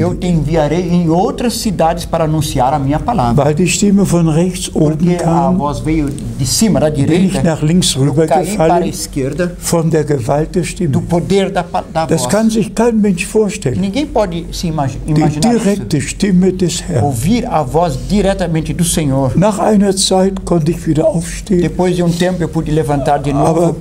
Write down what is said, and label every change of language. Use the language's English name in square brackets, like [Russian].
[Portuguese] Eu te enviarei em outras cidades para anunciar a minha palavra. [German] Weil die Stimme von rechts oben kam, [Portuguese] a voz veio de cima, da direita, [German] bin ich nach links rübergefallen, von der Gewalt der Stimme. [Portuguese] Do poder da, da [German] das [Portuguese] voz. [German] Kann sich kein Mensch vorstellen. [Portuguese] Ninguém pode se imaginar [German] die direkte [Portuguese] isso. [German] Stimme des Herrn. [Portuguese] Ouvir a voz diretamente do Senhor. [German] Nach einer Zeit konnte ich wieder aufstehen. [Portuguese] Depois de tempo eu pude levantar de novo.